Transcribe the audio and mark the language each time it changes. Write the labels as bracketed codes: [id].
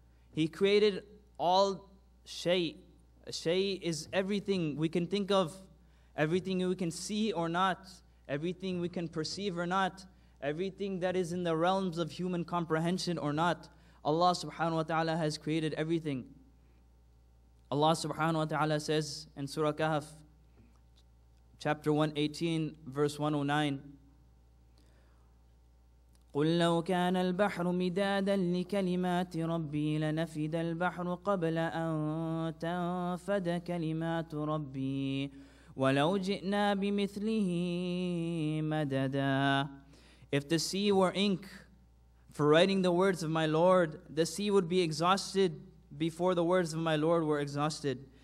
[en] He created all shay'. Shay' is everything we can think of, everything we can see or not, everything we can perceive or not, everything that is in the realms of human comprehension or not. Allah subhanahu wa ta'ala has created everything. Allah subhanahu wa ta'ala says in Surah Kahf, chapter 118, verse 109, [ar] قُلْ لَوْ كَانَ الْبَحْرُ مِدَادًا لِكَلِمَاتِ رَبِّي لَنَفِدَ الْبَحْرُ قَبْلَ أَن تَنْفَدَ كَلِمَاتُ رَبِّي وَلَوْ جِئْنَا بِمِثْلِهِ مَدَدًا. [en] If the sea were ink for writing the words of my Lord, the sea would be exhausted before the words of my Lord were exhausted.